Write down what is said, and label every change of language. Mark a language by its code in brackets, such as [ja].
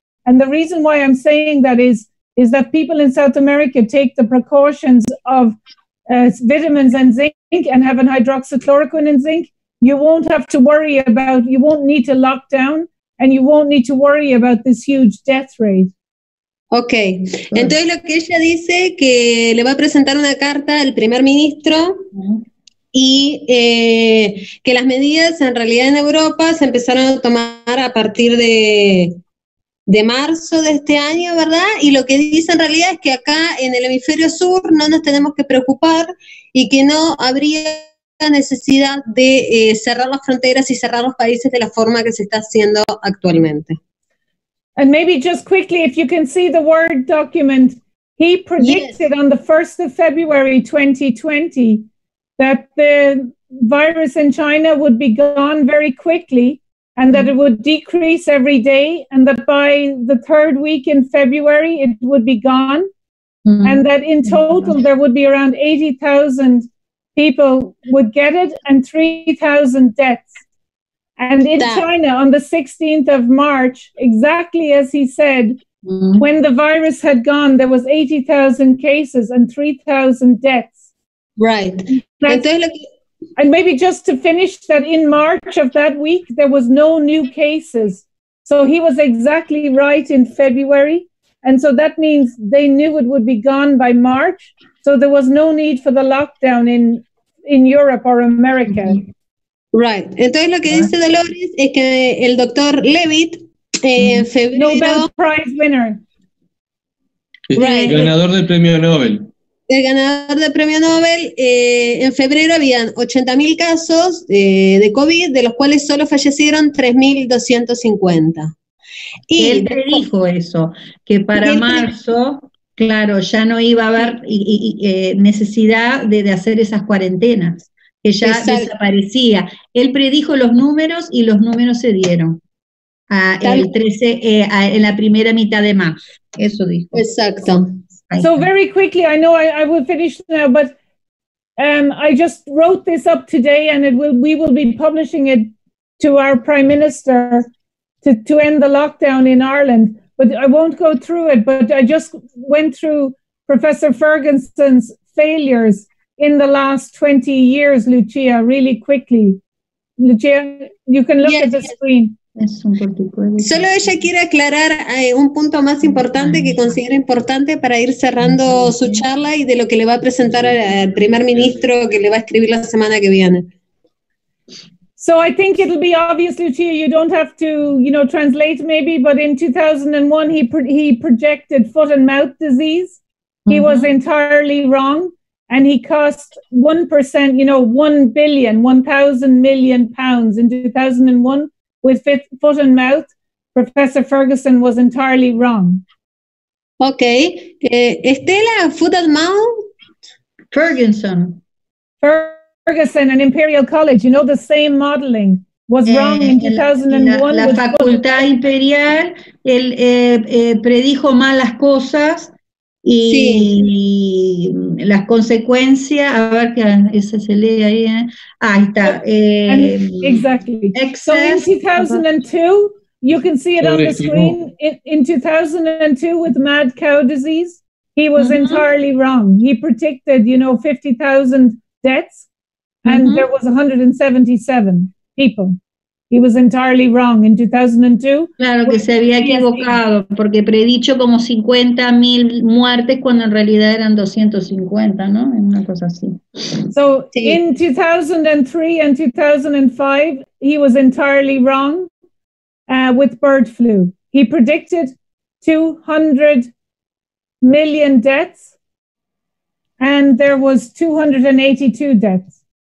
[en] And the reason why I'm saying that is that people in South America take the precautions of vitamins and zinc and have an hydroxychloroquine and zinc, you won't have to worry about, you won't need to lock down and you won't need to worry about this huge death rate. Okay. [es] Entonces lo que ella dice que le va a presentar una carta al primer ministro y que las medidas en realidad en Europa se empezaron a tomar a partir de marzo de este año, ¿verdad? Y lo que dice en realidad es que acá en el hemisferio sur no nos tenemos que preocupar y que no habría necesidad de cerrar las fronteras y cerrar los países de la forma que se está haciendo actualmente. [en] And maybe just quickly, if you can see the Word document, he predicted on the 1st of February 2020 that the virus in China would be gone very quickly, and that it would decrease every day, and that by the third week in February, it would be gone, and that in total, there would be around 80,000 people would get it, and 3,000 deaths. And in China, on the 16th of March, exactly as he said, when the virus had gone, there was 80,000 cases and 3,000 deaths. Right. And maybe just to finish that, in March of that week, there was no new cases. So he was exactly right in February. And so that means they knew it would be gone by March. So there was no need for the lockdown in Europe or America. Right. [es] Entonces lo que dice Dolores es que el doctor Levitt en febrero... [en] Nobel Prize winner. [es] Right. Ganador del premio Nobel. El ganador del premio Nobel, en febrero habían 80.000 casos de COVID, de los cuales solo fallecieron 3.250. Y él te dijo eso, que para marzo, claro, ya no iba a haber necesidad de hacer esas cuarentenas, que ya desaparecía. Él predijo los números y los números se dieron. En la primera mitad de marzo, eso dijo. Exacto. [en] So very quickly, I know I will finish now, but I just wrote this up today and we will be publishing it to our Prime Minister to end the lockdown in Ireland. But I won't go through it, but I just went through Professor Ferguson's failures in the last 20 years, Lucia, really quickly. Lucia, you can look at the screen. [es] Solo ella quiere aclarar un punto más importante que considera importante para ir cerrando su charla y de lo que le va a presentar al primer ministro que le va a escribir la semana que viene. [en] So I think it'll be obvious, Lucia, you don't have to, you know, translate maybe, but in 2001 he projected foot and mouth disease. He was entirely wrong and he cost 1%, you know, 1,000 million pounds in 2001. With foot and mouth, Professor Ferguson was entirely wrong. Okay. Estela, foot and mouth? Ferguson. Ferguson and Imperial College, you know, the same modeling was wrong in 2001. [es] La Facultad Imperial, él predijo malas cosas y sí. Las consecuencias, a ver que esa se lee ahí, ¿eh? Ahí está. [en] Exactly. Excess. So in 2002, you can see it on the screen, in 2002 with mad cow disease, he was entirely wrong. He predicted, you know, 50,000 deaths and there was 177 people. He was entirely wrong in 2002. [es] Claro que se había equivocado, porque predicho como 50,000 muertes cuando en realidad eran 250, ¿no? Una cosa así. [en] So, in 2003 and 2005, he was entirely wrong with bird flu. He predicted 200 million deaths, and there was 282 deaths.